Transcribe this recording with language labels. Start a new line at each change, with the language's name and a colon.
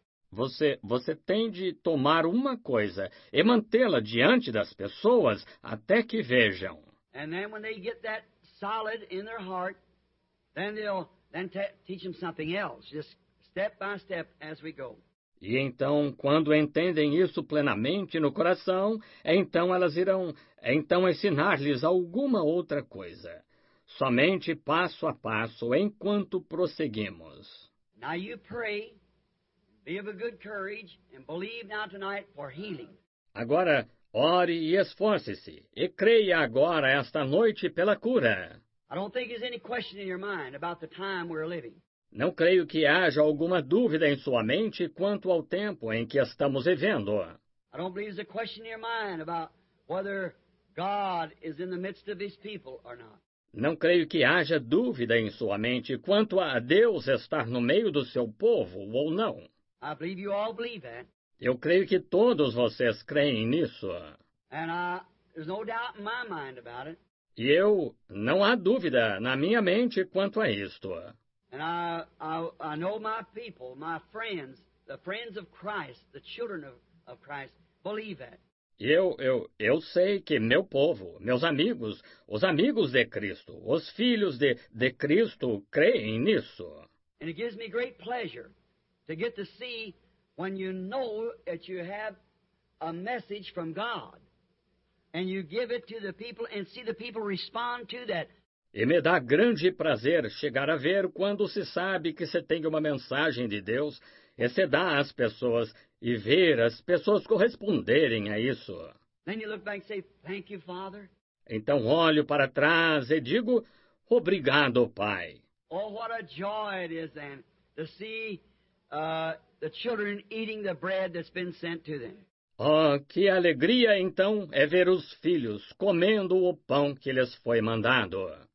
Portuguese: Você tem de tomar uma coisa e mantê-la diante das pessoas até que vejam.
English: And then when they get that solid in their heart, then they'll then teach them something else, just step by step as we go.
Portuguese: E então, quando entendem isso plenamente no coração, então elas irão então ensinar-lhes alguma outra coisa, somente passo a passo, enquanto prosseguimos.
English: Now you pray, be of a good courage, and believe now tonight for healing.
Portuguese: Agora, ore e esforce-se, e creia agora esta noite pela cura.
English: I don't think there's any question in your mind about the time we're living.
Portuguese: Não creio que haja alguma dúvida em sua mente quanto ao tempo em que estamos vivendo.
English: I don't believe there's a question in your mind about whether God is in the midst of his people or not.
Portuguese: Não creio que haja dúvida em sua mente quanto a Deus estar no meio do seu povo ou não.
English: I believe you all believe that.
Portuguese: Eu creio que todos vocês creem nisso.
English: And there's no doubt in my mind about it.
Portuguese: E eu não há dúvida na minha mente quanto a isto.
English: And I know my people, my friends, the friends of Christ, the children of Christ, believe that.
Portuguese: Eu sei que meu povo, meus amigos, os amigos de Cristo, os filhos de Cristo creem nisso.
English: And it gives me great pleasure to get to see when you know that you have a message from God and you give it to the people and see the people respond to that.
Portuguese: E me dá grande prazer chegar a ver quando se sabe que se tem uma mensagem de Deus e se dá às pessoas e ver as pessoas corresponderem a isso.
English: Then you look back and say, thank you, Father.
Portuguese: Então olho para trás e digo, obrigado, Pai.
English: Oh, what a joy it is then to see the children eating the bread that's been sent to them.
Portuguese: Oh, que alegria então é ver os filhos comendo o pão que lhes foi mandado.